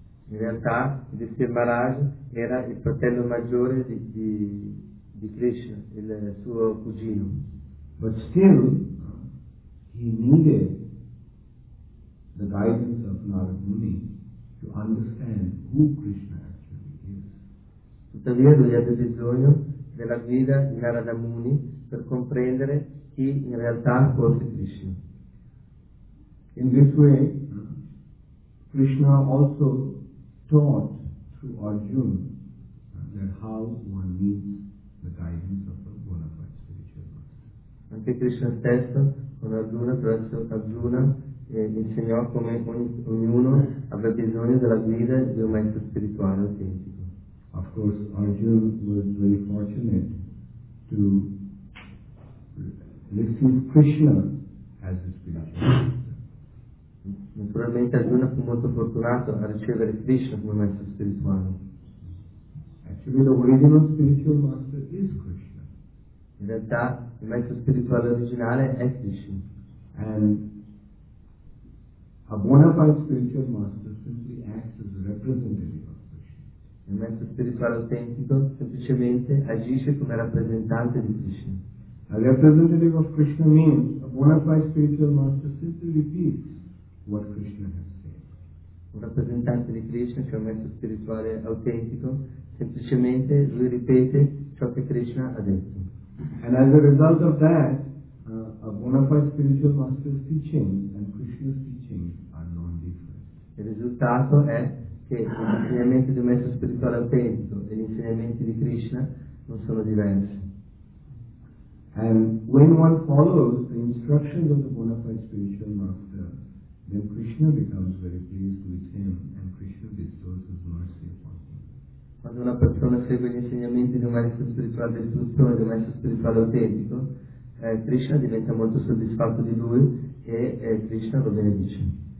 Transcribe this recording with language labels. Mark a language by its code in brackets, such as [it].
[it] In realtà Yudhishthira Maharaj era il fratello maggiore di Krishna, il suo cugino. [en] But still he needed the guidance of Narada Muni to understand who Krishna actually is. [it] Tuttavia lui aveva bisogno della guida di Narada Muni per comprendere chi in realtà fosse Krishna. [en] In this way Krishna also taught to Arjuna that how one needs the guidance of a bona fide spiritual master. [it] Anche Krishna stesso con Arjuna, attraverso Arjuna, insegnò come ognuno aveva bisogno della guida di un maestro spirituale autentico. [en] Of course Arjuna was very fortunate to receive Krishna as his spiritual master. [it] Naturalmente Arjuna fu molto fortunato a ricevere Krishna come maestro spirituale. [en] Actually the original spiritual master is Krishna. [it] In realtà il maestro spirituale originale è Krishna. [en] And a bona fide spiritual master simply acts as a representative of Krishna. [it] Il maestro spirituale autentico semplicemente agisce come rappresentante di Krishna. [en] A representative of Krishna means a bona fide spiritual master simply repeats what Krishna has said. [it] Un rappresentante di Krishna, cioè un maestro spirituale autentico, semplicemente lui ripete ciò che Krishna ha detto. [en] And as a result of that, a bona fide spiritual master's teaching and Krishna's teaching are non-different. [it] Il risultato è che l'insegnamento di un maestro spirituale autentico e gli insegnamenti di Krishna non sono diversi. [en] And when one follows the instructions of the bona fide spiritual master, then Krishna becomes very pleased with him and Krishna bestows his mercy upon him. [it] Quando una persona segue gli insegnamenti di un maestro spirituale istruttore, di un maestro spirituale autentico, Krishna diventa molto soddisfatto di lui e Krishna lo benedice.